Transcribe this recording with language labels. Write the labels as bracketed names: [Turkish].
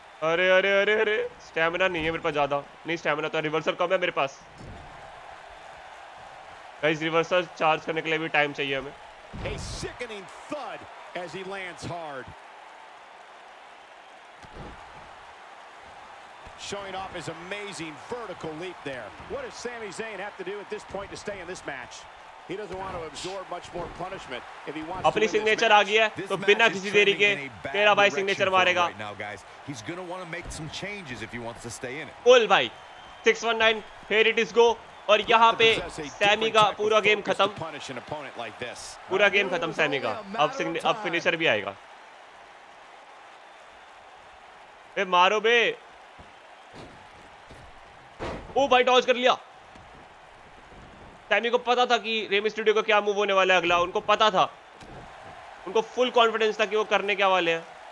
[Hindi] अरे अरे अरे अरे, स्टैमिना नहीं है मेरे पास ज्यादा, नहीं स्टैमिना तो रिवर्सल कम है मेरे पास। गाइस रिवर्सल चार्ज करने के लिए भी टाइम चाहिए हमें। [English] A sickening thud as he lands hard. Showing off his amazing vertical leap there. What does Sami Zayn have to do at this point to stay in this match? He doesn't want to absorb much more punishment if he wants to. [Hindi] अपनी signature आ गई है तो बिना किसी देरी के तेरा भाई सिग्नेचर मारेगा। [English] He's going to want to make some changes if he wants to stay in it. [Hindi] बोल भाई [English] 619, here it is go. [Hindi] और यहाँ पे सैमी का पूरा गेम खत्म, पूरा गेम खत्म सैमी का। अब फिनिशर भी आएगा। ए मारो बे। ओ भाई डॉज कर लिया। सैमी को पता था कि रेम स्टूडियो का क्या मूव होने वाला है अगला, उनको पता था, उनको फुल कॉन्फिडेंस था कि वो करने क्या वाले हैं।